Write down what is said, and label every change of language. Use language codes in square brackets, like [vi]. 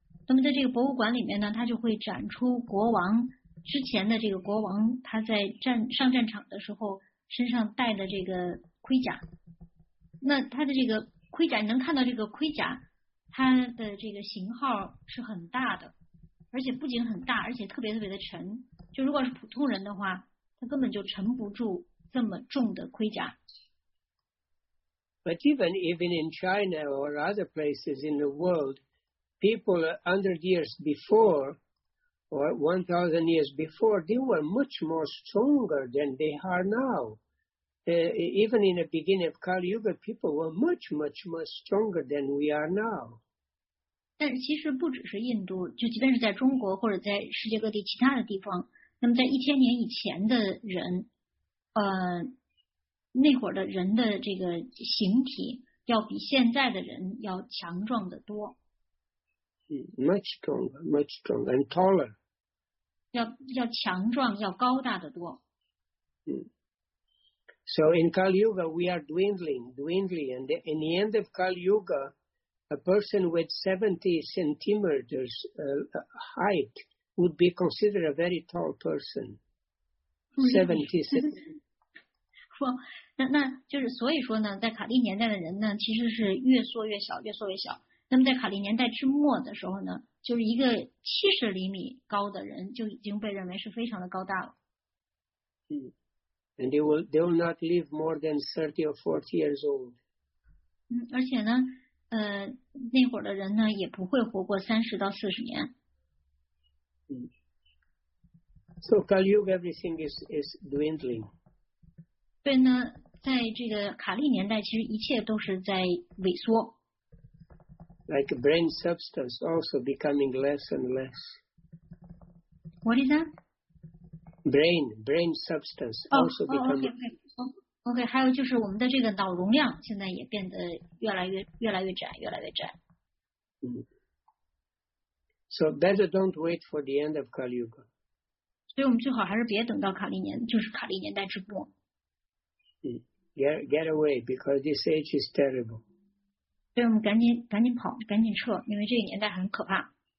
[zh] 那么在这个博物馆里面呢，它就会展出国王之前的这个国王他在上战场的时候身上带的这个盔甲。那他的这个盔甲，你能看到这个盔甲，它的这个型号是很大的，而且不仅很大，而且特别特别的沉。就如果是普通人的话，他根本就沉不住这么重的盔甲。 [en] But even in China or other places in the world, people 100 years before or 1,000 years before, they were much more stronger than they are now. Even in the beginning of Kali Yuga, people were much, much, much stronger than we are now. [zh] 但其实不只是印度，就即便是在中国或者在世界各地其他的地方，那么在一千年以前的人，那会儿的人的这个形体要比现在的人要强壮得多。 [en] Much stronger, much stronger and taller. [zh] 要强壮，要高大得多。 [en] So in Kali Yuga, we are dwindling, and in the end of Kali Yuga, a person with 70 centimeters height would be considered a very tall person. 70 centimeters. [zh] 那就是所以说呢，在卡利年代的人呢，其实是越缩越小。那么在卡利年代之末的时候呢，就是一个70厘米高的人就已经被认为是非常的高大了。 [en] And they will not live more than 30 or 40 years old. [zh] 而且呢，那会儿的人呢也不会活过30到40年。 [en] So Kali Yuga, everything is dwindling. [zh] 对呢，在这个卡利年代，其实一切都是在萎缩。 [en] Like brain substance also becoming less and less. What is that? Brain substance also becoming. Okay. [zh] 还有就是我们的这个脑容量现在也变得越来越窄。 [en] So better don't wait for the end of Kali Yuga. [zh] 所以我们最好还是别等到卡利年，就是卡利年代之末。 [en] Get away because this age is terrible. [zh] 所以我们赶紧跑，赶紧撤，因为这个年代很可怕。